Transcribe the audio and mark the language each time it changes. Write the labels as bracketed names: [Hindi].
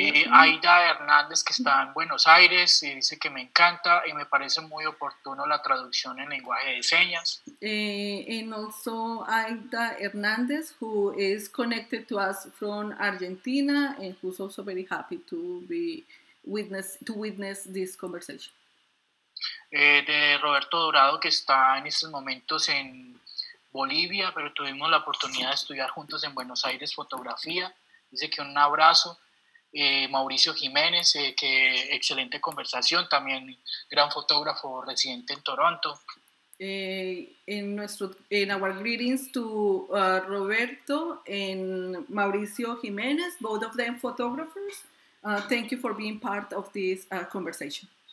[Spanish] Aida Hernández, que está en Buenos Aires, y dice que me encanta y me parece muy oportuno la traducción en lenguaje de señas. [English] And also Aida Hernández, who is connected to us from Argentina and who's also very happy to be witness this conversation. [Spanish] De Roberto Dorado, que está en estos momentos en Bolivia, pero tuvimos la oportunidad de estudiar juntos en Buenos Aires fotografía. Dice que un abrazo. Mauricio Jiménez, que excelente conversación, también gran fotógrafo residente en Toronto. [English] In our greetings to Roberto and Mauricio Jiménez, both of them photographers. Thank you for being part of this conversation.